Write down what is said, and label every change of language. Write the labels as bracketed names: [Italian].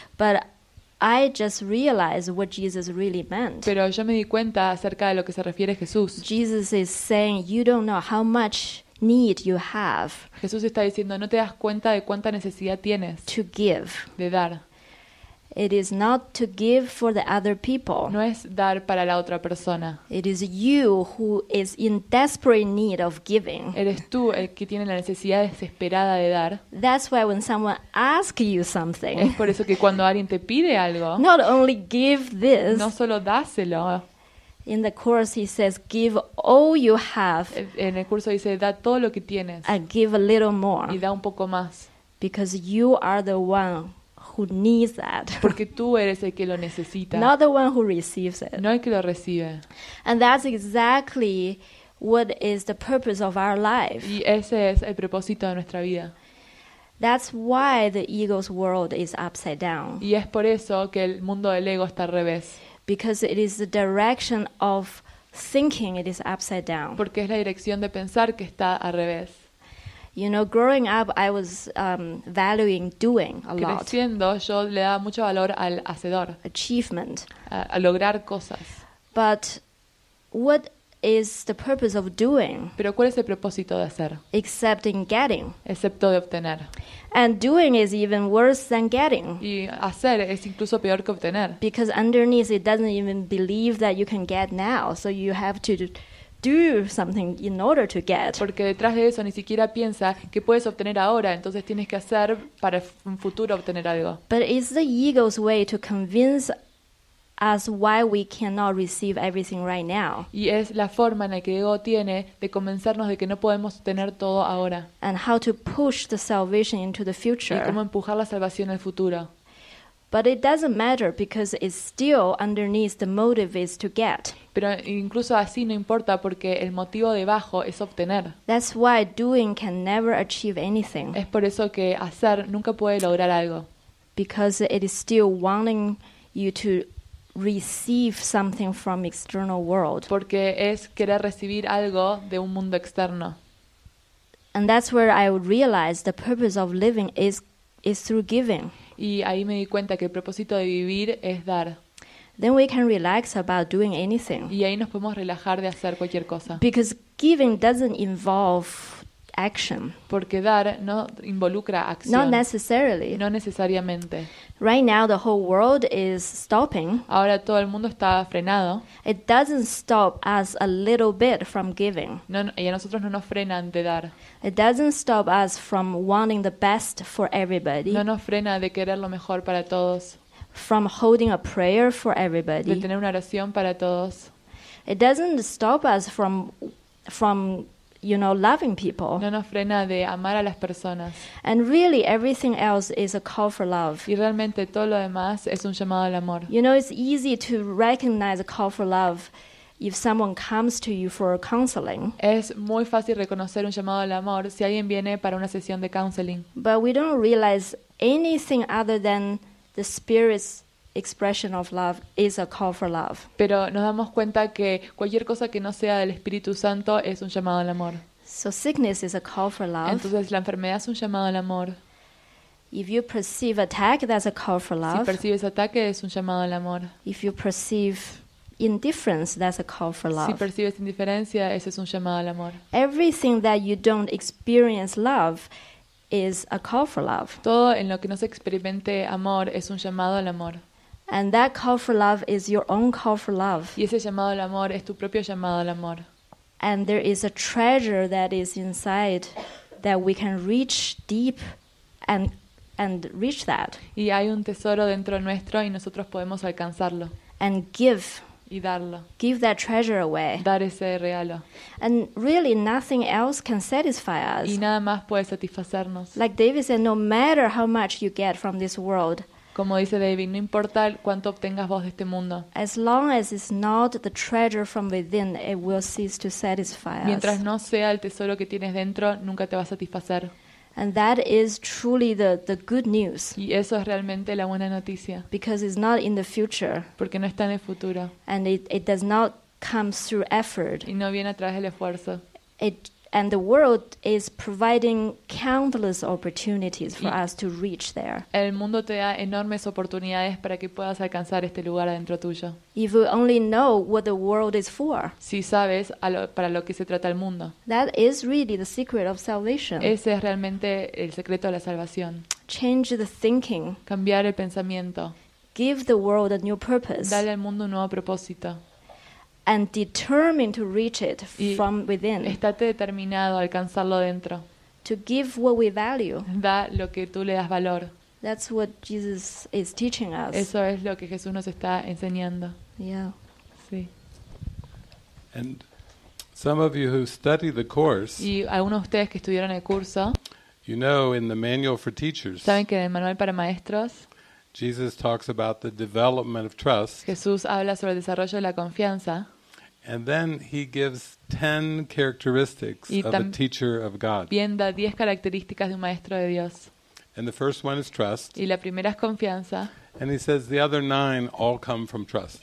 [English] But I just realized what Jesus really meant. [Spanish] Pero yo me di cuenta acerca de lo que se refiere Jesús. [English] Jesus is saying you don't know how much need you have. [Spanish] Jesús está diciendo no te das cuenta de cuánta necesidad tienes. [English] To give. [Spanish] De dar. [English] It is not to give for the other people. [Spanish] No es dar para la otra persona. [English] It is you who is in desperate need of giving. [Spanish] Eres tú el que tiene la necesidad desesperada de dar. [English] That's why when someone asks you something. [Spanish] Es por eso que cuando alguien te pide algo. [English] Not only give this. [Spanish] No solo dáselo. [English] In the course he says give all you have. [Spanish] En el curso dice da todo lo que tienes. [English] And give a little more. [Spanish] Y da un poco más. [English] Because you are the one who needs that. [Spanish] Porque tú eres el que lo necesita. [English] Not the one who receives it. [Spanish] No el que lo recibe. [English] And that's exactly what is the purpose of our life. [Spanish] Y ese es el propósito de nuestra vida. [English] That's why the ego's world is upside down. [Spanish] Y es por eso que el mundo del ego está al revés. [English] Because it is the direction of thinking it is upside down. [Spanish] Porque es la dirección de pensar que está al revés. [English] You know, growing up, I was valuing doing a lot. [Spanish] Creciendo, yo le daba mucho valor al hacedor. [English] Achievement. [Spanish] A lograr cosas. [English] But what is the purpose of doing? [Spanish] Pero ¿cuál es el propósito de hacer? [English] Except in getting. [Spanish] Excepto de obtener. [English] And doing is even worse than getting. [Spanish] Y hacer es incluso peor que obtener. [English] Because underneath it doesn't even believe that you can get now, so you have to do something in order to get. [Spanish] Porque detrás de eso ni siquiera piensa que puedes obtener ahora, entonces tienes que hacer para un futuro obtener algo. [English] But it's the ego's way to convince us why we cannot receive everything right now. [Spanish] Y es la forma en la que ego tiene de convencernos de que no podemos tener todo ahora. [English] And how to push the salvation into the future. [Spanish] Y cómo empujar la salvación al futuro. [English] But it doesn't matter because it's still underneath the motive is to get. [Spanish] Pero incluso así no importa porque el motivo debajo es obtener. [English] That's why doing can never achieve anything. [Spanish] Es por eso que hacer nunca puede lograr algo. [English] Because it is still wanting you to receive something from external world. [Spanish] Porque es querer recibir algo de un mundo externo. [English] And that's where I realized the purpose of living is through giving. [Spanish] Y ahí me di cuenta que el propósito de vivir es dar. [English] Then we can relax about doing anything. [Spanish] Y ahí nos podemos relajar de hacer cualquier cosa. [English] Because giving doesn't involve action. [Spanish] Porque dar no involucra acción. [English] Not necessarily. [Spanish] No necesariamente. [English] Right now the whole world is stopping. [Spanish] Ahora todo el mundo está frenado. [English] It doesn't stop us a little bit from giving. [Spanish] No, y a nosotros no nos frenan de dar. [English] It doesn't stop us from wanting the best for everybody. [Spanish] No nos frena de querer lo mejor para todos. [English] From holding a prayer for everybody. [Spanish] De tener una oración para todos. [English] It doesn't stop us from you know, loving people. [Spanish] No nos frena de amar a las personas. [English] And really, everything else is a call for love. [Spanish] Y realmente todo lo demás es un llamado al amor. [English] You know, it's easy to recognize a call for love if someone comes to you for counseling. [Spanish] Es muy fácil reconocer un llamado al amor si alguien viene para una sesión de counseling. [English] But we don't realize anything other than the spirit's expression of love is a call for love. [Spanish] Pero nos damos cuenta que cualquier cosa que no sea del Espíritu Santo es un llamado al amor. [English] So sickness is a call for love. [Spanish] Entonces la enfermedad es un llamado al amor. [English] If you perceive attack, that's a call for love. [Spanish] Si percibes ataque es un llamado al amor. [English] If you perceive indifference, that's a call for love. [Spanish] Si percibes indiferencia, ese es un llamado al amor. [English] Everything that you don't experience love is a call for love. [Spanish] Todo en lo que no se experimente amor es un llamado al amor. [English] And that call for love is your own call for love. [Spanish] Y ese llamado al amor es tu propio llamado al amor. [English] And there is a treasure that is inside that we can reach deep and reach that. [Spanish] Y hay un tesoro dentro nuestro y nosotros podemos alcanzarlo. [English] And give. [Spanish] Y darlo. [English] Give that treasure away. [Spanish] Dar ese regalo. [English] And really nothing else can satisfy us. [Spanish] Y nada más puede satisfacernos. [English] Like David said, no matter how much you get from this world. [Spanish] Como dice David, no importa cuánto obtengas vos de este mundo. [English] As long as it's not the treasure from within, it will cease to satisfy us. [Spanish] Mientras no sea el tesoro que tienes dentro, nunca te va a satisfacer. [English] And that is truly the good news. [Spanish] Y eso es realmente la buena noticia. [English] Because it's not in the future. [Spanish] Porque no está en el futuro. [English] And it does not come through effort. [Spanish] Y no viene a través del esfuerzo. [English] And the world is providing countless opportunities for us to reach there. [Spanish] El mundo te da enormes oportunidades para que puedas alcanzar este lugar adentro tuyo. [English] If we only know what the world is for. [Spanish] Si sabes para lo que se trata el mundo. [English] That is really the secret of salvation. [Spanish] Ese es realmente el secreto de la salvación. [English] Change the thinking. [Spanish] Cambiar el pensamiento. [English] Give the world a new purpose. [Spanish] Dale al mundo un nuevo propósito. [English] And determined to reach it from within. [Spanish] Estate determinado a alcanzarlo dentro. [English] To give what we value. [Spanish] Da lo que tú le das valor. [English] That's what Jesus is teaching us. [Spanish] Eso es lo que Jesús nos está enseñando. [English] Yeah. [Spanish] Sí. [English] And some of you who study the course. [Spanish] Y algunos de ustedes que estudiaron el curso. [English] You know, in the manual for teachers. [Spanish] Saben que en el manual para maestros. [English] Jesus talks about the development of trust. [Spanish] Jesús habla sobre el desarrollo de la confianza. [English] And then he gives 10 characteristics of a teacher of God. [Spanish] Y da 10 características de un maestro de Dios. [English] And the first one is trust. [Spanish] Y la primera es confianza. [English] And he says the other nine all come from trust.